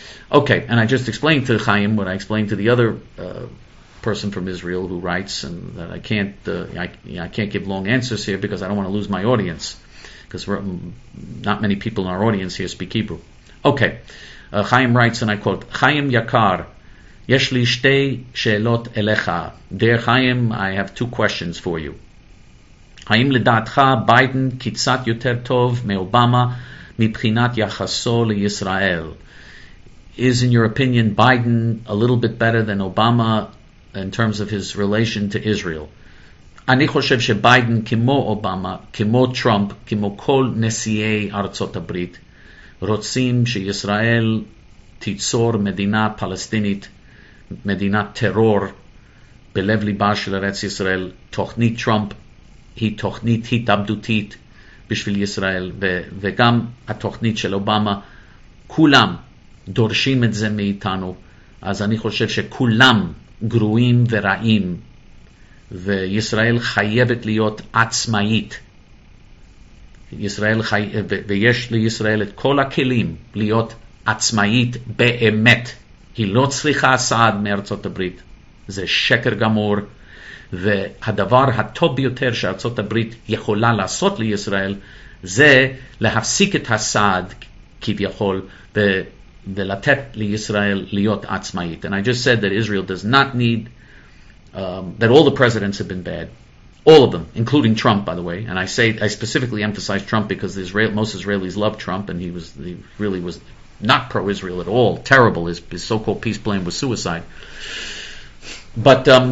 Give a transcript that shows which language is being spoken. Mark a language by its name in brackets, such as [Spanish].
[English] Okay, and I just explained to Chaim what I explained to the other person from Israel who writes, and that I can't give long answers here because I don't want to lose my audience, because not many people in our audience here speak Hebrew. Okay, Chaim writes, and I quote, Chaim Yakar, [Hebrew] יש לי שתי שאלות אליך. [English] Dear Chaim, I have two questions for you. [Hebrew] האם לדעתך ביידן קיצת יותר טוב מאובמה מבחינת יחסו לישראל? [English] Is, in your opinion, Biden a little bit better than Obama in terms of his relation to Israel? [Hebrew] אני חושב שביידן כמו אובמה, כמו טראמפ, כמו כל נשיאי ארצות הברית, רוצים שישראל תיצור מדינה פלסטינית, מדינת טרור, בלב ליבה של ארץ ישראל. תוכנית טראמפ היא תוכנית התאבדותית, בשביל ישראל, וגם התוכנית של אובמה, כולם דורשים את זה מאיתנו, אז אני חושב שכולם גרועים ורעים, וישראל חייבת להיות עצמאית. ישראל ויש לישראל את כל הכלים להיות עצמאית באמת. היא לא צריכה סעד מארצות הברית, זה שקר גמור. והדבר הטוב ביותר שארצות הברית יכולה לעשות לישראל זה להפסיק את הסעד כביכול ולתת לישראל להיות עצמאית. [English] And I just said that Israel does not need, that all the presidents have been bad. All of them, including Trump, by the way. And I specifically emphasize Trump because most Israelis love Trump, and he really was not pro-Israel at all. Terrible. His so-called peace plan was suicide. But...